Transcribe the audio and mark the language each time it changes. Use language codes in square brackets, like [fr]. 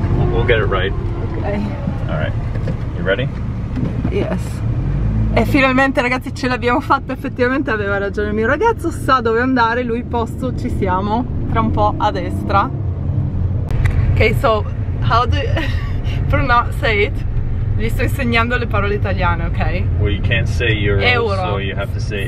[en] We'll get it right. Okay. All right. You ready? Yes. [it] E finalmente ragazzi ce l'abbiamo fatta, effettivamente aveva ragione il mio ragazzo, sa dove andare, lui posto ci siamo, tra un po' a destra. [en] Okay, so how do you pronounce, say it? [it] Gli sto insegnando le parole italiane, ok? [en] Well, you can't say euro, so you have to say